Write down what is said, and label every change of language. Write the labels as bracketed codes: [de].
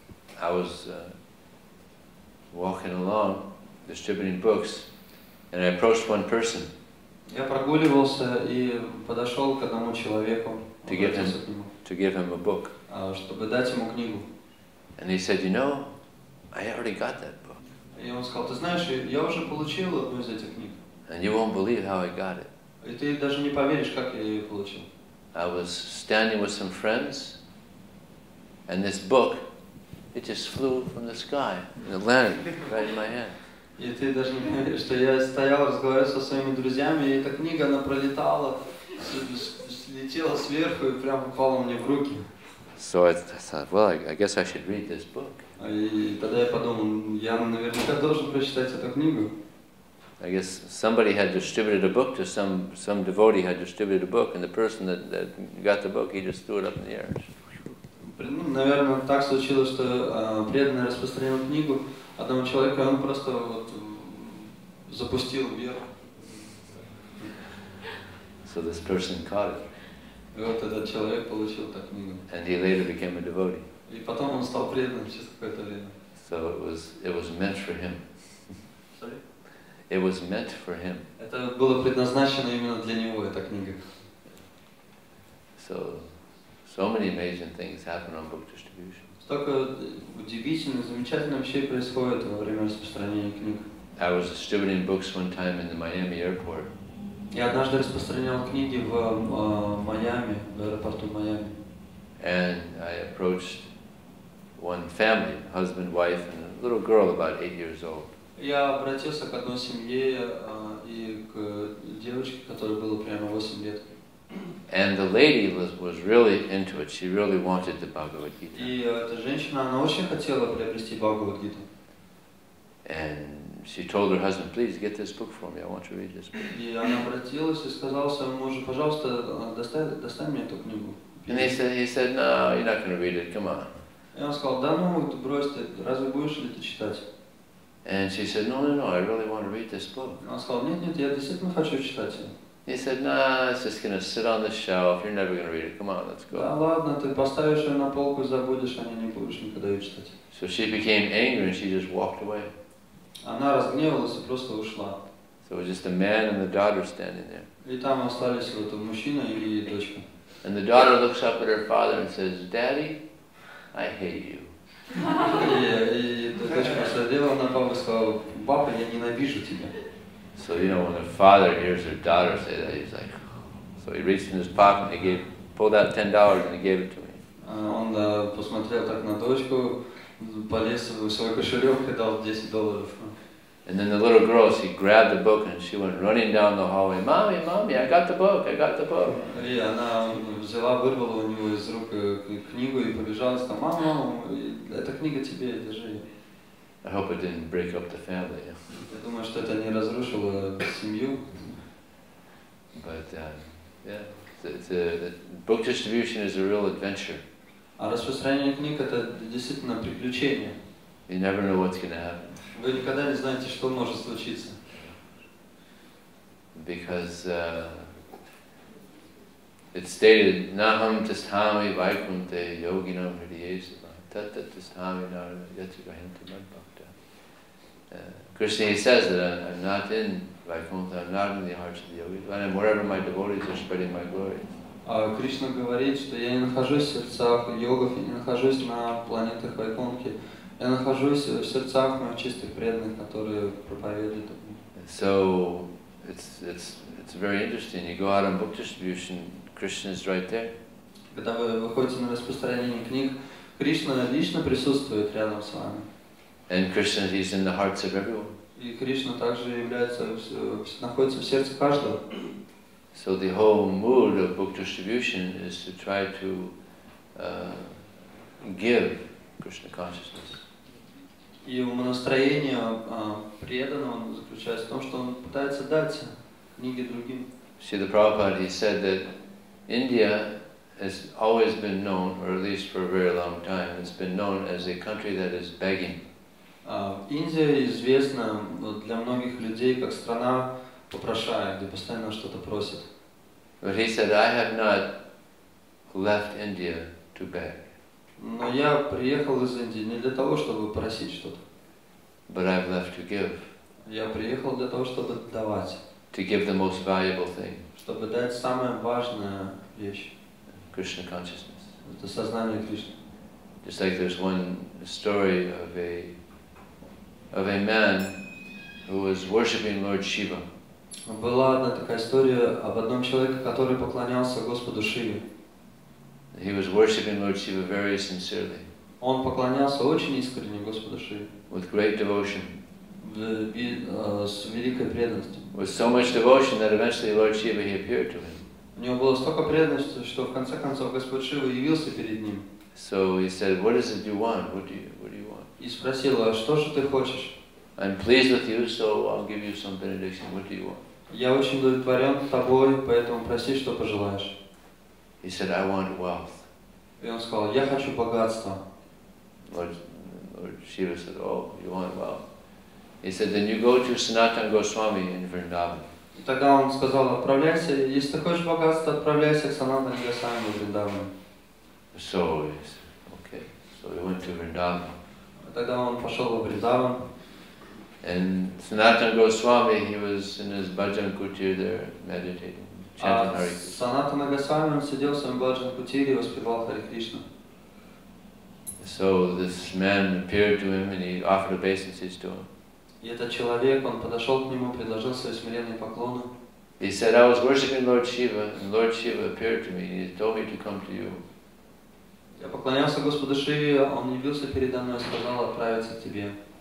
[en] And I was walking along, distributing books, and I approached one person. [ru] Я прогуливался и подошел к одному человеку, [en] to give him a book. [ru] Чтобы дать ему книгу. [en] And he said, you know, I already got that book. [ru] И он сказал, ты знаешь, я уже получил одну из этих книг. [en] And you won't believe how I got it. [ru] И ты даже не поверишь, как я ее получил. [en] I was standing with some friends, and this book, it just flew from the sky, and it landed right in my hand. [ru] И ты даже не говоришь, что я стоял, разговаривал со своими друзьями, и эта книга, она пролетала, слетела сверху и прямо упала мне в руки. [en] So I thought, well, I guess I should read this book. [ru] И тогда я подумал, я наверняка должен прочитать эту книгу. [en] I guess somebody had distributed a book to some devotee had distributed a book, and the person that got the book, he just threw it up in the air. [ru] Наверное, так случилось, что преданный распространил книгу одному человеку, он просто вот запустил вверх. [en] So this person caught it. [ru] И вот этот человек получил эту книгу. [en] And he later became a devotee. [ru] И потом он стал преданным через какое-то время. [en] So it was meant for him. Sorry? It was meant for him. [ru] Это было предназначено именно для него, эта книга. [en] So many amazing things happen on book distribution. [ru] Столько удивительно, замечательно вообще происходит во время распространения книг. [en] I was distributing books one time in the Miami airport. [ru] Я однажды распространял книги в Майами, в аэропорту Майами. [en] And I approached one family, husband, wife, and a little girl about 8 years old. [ru] Я обратился к одной семье и к девочке, которой было прямо 8 лет. [en] And the lady was really into it. She really wanted the Bhagavad Gita. [ru] И эта женщина, она очень хотела приобрести Бхагавад Гиту. [en] And she told her husband, "Please get this book for me. I want to read this book." [ru] И она обратилась и сказала своему мужу, пожалуйста, достань мне эту книгу. [en] And he said, "No, you're not going to read it. Come on." [ru] И он сказал, да ну, брось ты, разве будешь ли ты читать? [en] And she said, "No, I really want to read this book." [ru] Он сказал, нет, я действительно хочу читать. [en] He said, "Nah, it's just gonna sit on the shelf. You're never gonna read it. Come on, let's go." [ru] Да ладно, ты поставишь ее на полку, забудешь, они не будешь никогда ее читать. [en] So she became angry and she just walked away. [ru] Она разгневалась и просто ушла. [en] So it was just a man and the daughter standing there. [ru] И там остались вот мужчина и дочка. [en] And the daughter looks up at her father and says, "Daddy, I hate you." [ru] И дочка посмотрела на папу и сказала, "Папа, я ненавижу тебя." [en] So you know when a father hears their daughter say that, he's like, so he reached in his pocket and pulled out $10 and he gave it to me. [ru] Он посмотрел так на дочку, полез в свой кошелек и дал $10. [en] And then the little girl, she grabbed the book and she went running down the hallway. "Mommy, mommy, I got the book. [ru] И она взяла, вырвала у него из рук книгу и побежала с ним. "Мама, эта книга тебе, держи." [en] I hope it didn't break up the family. [ru] Я думаю, что это не разрушило семью. [en] But the book distribution is a real adventure. [ru] А распространение книг — это действительно приключение. [en] You never know what's going to happen. [ru] Вы никогда не знаете, что может случиться. [en] Because it's stated, [sa] "Naham tisthami vaikunte yoginam hridyesava tat tisthami narada yachigahanti madhva." [en] Krishna says that I'm not in Vaikuntha, I'm not in the hearts of the yogis, but I'm wherever my devotees are spreading my glory. [ru] Krishna говорит, что я не нахожусь в сердцах йогов, я не нахожусь на планетах Вайкунхи, я нахожусь в сердцах моих чистых преданных, которые проповедуют. [en] So it's very interesting. You go out on book distribution, Krishna is right there. [ru] Когда вы выходите на распространение книг, Кришна лично присутствует рядом с вами. [en] And Krishna is in the hearts of everyone. [ru] И Кришна также находится в сердце каждого. [en] So the whole mood of book distribution is to try to give Krishna consciousness. [ru] И настроение преданного заключается в том, что он пытается дать книги другим. [en] See, the Prabhupada, he said that India has always been known, or at least for a very long time, has been known as a country that is begging. [ru] Индия известна для многих людей как страна попрошая, где постоянно что-то просит. [en] But he said, "I have not left India to beg." [ru] Но я приехал из Индии не для того, чтобы просить что-то. [en] But I've left to give. [ru] Я приехал для того, чтобы давать. [en] To give the most valuable thing. [ru] Чтобы дать самую важную вещь. [en] Krishna consciousness. [ru] Это сознание Кришны. [en] Just like there's one story of a man who was worshipping Lord Shiva. [ru] Была одна такая история об одном человеке, который поклонялся Господу Шиве. [en] He was worshiping Lord Shiva very sincerely. [ru] Он поклонялся очень искренне Господу Шиве. [en] With great devotion. [ru] С великой преданностью. [en] With so much devotion that eventually Lord Shiva he appeared to him. [ru] У него было столько преданности, что в конце концов Господь Шива явился перед ним. [en] So he said, "What is it you want? What do you want?" [ru] И спросил, а что же ты хочешь? [en] I'm pleased with you, so I'll give you some benediction. What do you want? [ru] Я очень удовлетворен тобой, поэтому проси, что пожелаешь. [en] He said, "I want wealth." [ru] И он сказал, я хочу богатство. [en] Lord Shiva said, "Oh, you want wealth?" He said, "Then you go to Sanatana Goswami in Vrindavan." [ru] И тогда он сказал, отправляйся, если ты хочешь богатство, отправляйся к Санатана Госвами в Вриндаван. [en] So he said, okay. So he went to Vrindavan. [ru] Тогда он пошел во Вриндаван. [en] And Sanatana Goswami, he was in his bhajan kutir there meditating, chanting Hare Krishna. [ru] Sanatana Goswami, он сидел в своем bhajan kutir и воспевал Hare Krishna. [en] So this man appeared to him and he offered obeisances to him. [ru] И этот человек, он подошел к нему, предложил свои смиренные поклоны. [en] He said, "I was worshiping Lord Shiva, and Lord Shiva appeared to me. He told me to come to you." [ru] Я поклонялся Господу Шиве, он явился передо мной и сказал отправиться к тебе.